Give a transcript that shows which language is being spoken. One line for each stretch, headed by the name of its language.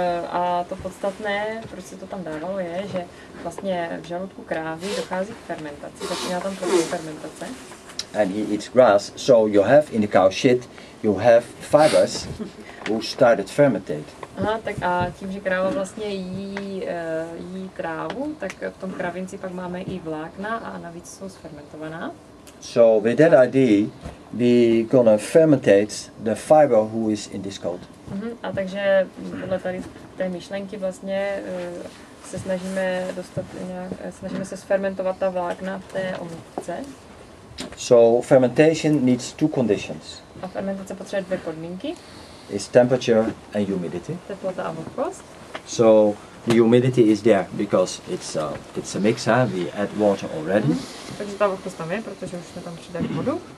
Czech: A to podstatné, proč se to tam dávalo, je, že vlastně v žaludku krávy dochází k fermentaci, začíná tam proces fermentace.
English: And he eats grass, so you have in the cow shit, you have fibers who started fermentate.
Czech: Aha, tak a tím, že kráva vlastně jí trávu, tak v tom kravinci pak máme i vlákna a navíc jsou zfermentovaná.
English: So with that idea, we gonna fermentate the fiber who is in this coat.
Czech: A takže podle tady té myšlenky vlastně se snažíme dostat nějak, snažíme se zfermentovat ta vlákna v té omítce.
English: So fermentation needs two conditions.
Czech: A fermentace potřebuje dvě podmínky.
English: It's temperature and humidity.
Czech: Teplota a vlhkost.
English: So the humidity is there because it's a mix, huh? We add water already.
Czech: Takže ta vlhkost tam je, protože už jsme tam přidali vodu.